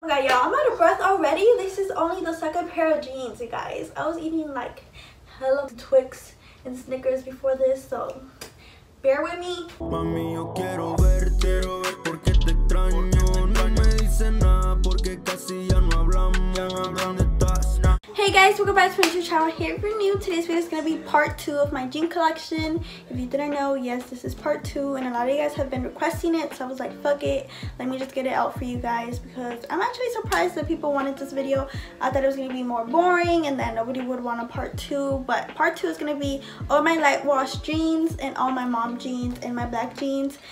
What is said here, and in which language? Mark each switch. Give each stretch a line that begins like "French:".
English: Okay, yeah, I'm out of breath already. This is only the second pair of jeans, you guys. I was eating like hella Twix and Snickers before this, so bear with me.
Spanish: Mami, yo quiero ver, porque te extraño. No me dice nada porque casi ya no hablamos.
English: Hey guys, welcome back to my YouTube channel. Here if you're new, today's video is going to be part 2 of my jean collection. If you didn't know, yes, this is part 2 and a lot of you guys have been requesting it, so I was like, fuck it, let me just get it out for you guys, because I'm actually surprised that people wanted this video. I thought it was going to be more boring and then nobody would want a part 2, but part 2 is going to be all my light wash jeans and all my mom jeans and my black jeans.